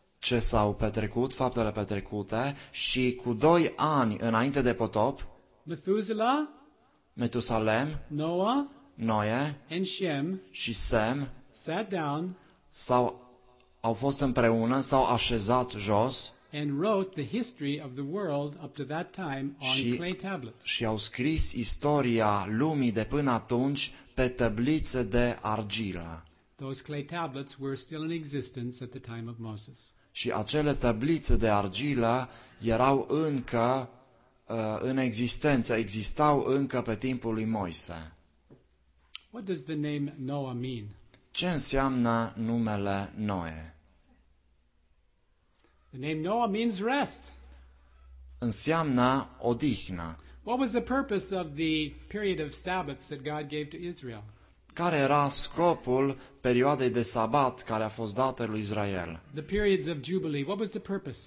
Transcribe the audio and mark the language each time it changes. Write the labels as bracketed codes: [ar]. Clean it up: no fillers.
[ro] Ce s-au petrecut, faptele petrecute, și cu 2 ani înainte de potop, [en] Methuselah, [ro] Metusalem, [en] Noah, [ro] Noe, [en] and Shem, [ro] și Sem, [en] sat down, [ro] sau au fost împreună, s-au așezat jos, [en] and wrote the history of the world up to that time on clay tablets. [ro] Și au scris istoria lumii de până atunci pe tăblițe de argilă. [en] Those clay tablets were still in existence at the time of Moses. [ro] Și acele tablițe de argilă erau încă în existență, existau încă pe timpul lui Moise. [en] What does the name Noah mean? [ro] Ce înseamnă numele Noe? [en] The name Noah means rest. [ro] Înseamnă odihnă. [en] What was the purpose of the period of Sabbaths that God gave to Israel? [ro] Care era scopul perioadei de sabat care a fost dată lui Israel? [en] The periods of Jubilee, what was the purpose?